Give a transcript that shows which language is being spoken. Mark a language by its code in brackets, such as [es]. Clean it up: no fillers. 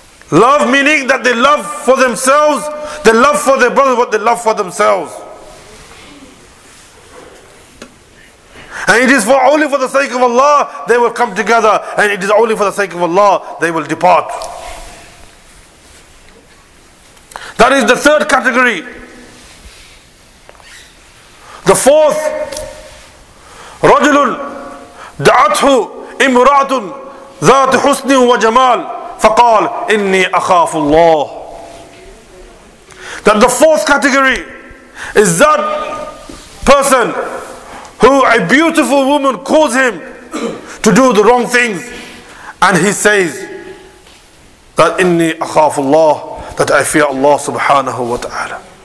[en] Love meaning that they love for themselves, they love for their brother what they love for themselves. And it is for only for the sake of Allah they will come together, and it is only for the sake of Allah they will depart. That is the third category. [ar] The fourth, رَجُلٌ دَعَتْهُ إِمْرَأَةٌ ذَاتِ حُسْنٍ وَجَمَالٍ فَقَالْ إِنِّي أَخَافُ اللَّهِ. [en] That the fourth category is that person who a beautiful woman calls him to do the wrong things, and he says that [ar] إِنِّي أَخَافُ اللَّهِ, [en] that I fear Allah subhanahu wa ta'ala.